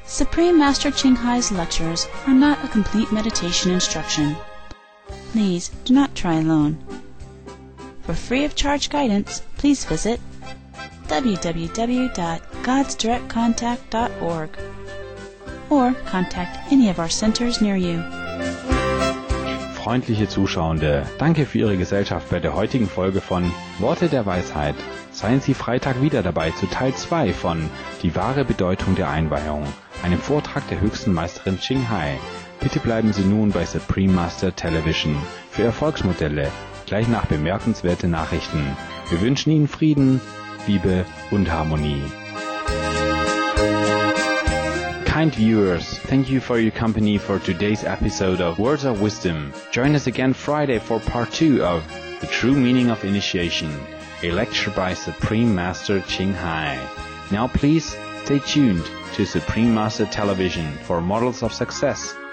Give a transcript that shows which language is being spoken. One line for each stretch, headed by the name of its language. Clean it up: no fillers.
English: Pre-Master Qinghai's lectures are not a complete meditation instruction. Please do not try alone. For free of charge guidance, please visit www.godsdirectcontact.org or contact any of our centers near you.
German: Freundliche Zuschauende, danke für Ihre Gesellschaft bei der heutigen Folge von Worte der Weisheit. Seien Sie Freitag wieder dabei zu Teil 2 von Die wahre Bedeutung der Einweihung, einem Vortrag der höchsten Meisterin Qinghai. Bitte bleiben Sie nun bei Supreme Master Television für Erfolgsmodelle, gleich nach bemerkenswerte Nachrichten. Wir wünschen Ihnen Frieden, Liebe und Harmonie.
English: Kind viewers, thank you for your company for today's episode of Words of Wisdom. Join us again Friday for part 2 of The True Meaning of Initiation, a lecture by Supreme Master Qinghai. Now please stay tuned to Supreme Master Television for Models of Success.